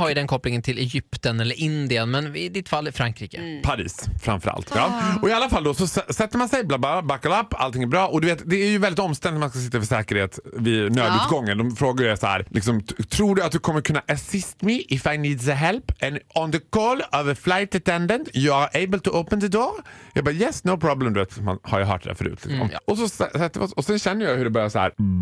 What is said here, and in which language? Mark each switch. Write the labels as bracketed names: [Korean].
[Swedish] har ju den kopplingen till Egypten eller Indien, men i ditt fall Frankrike. Mm. Paris, framförallt. Ja. Och i alla fall då, så sätter man sig buckle up, allting är bra. Och du vet, det är ju väldigt omständigt att man ska sitta för säkerhet vid nödutgången. Ja. De frågar ju så här, liksom, tror du att du kommer kunna [English] assist me if I need the help? And on the call of a flight attendant, you are able to open the door? [Swedish] Jag bara, [English] yes, no problem. [Swedish] Du vet, man har ju hört det förut. Liksom. Mm, ja. Och så sätter man, och sen känner jag hur det börjar så här.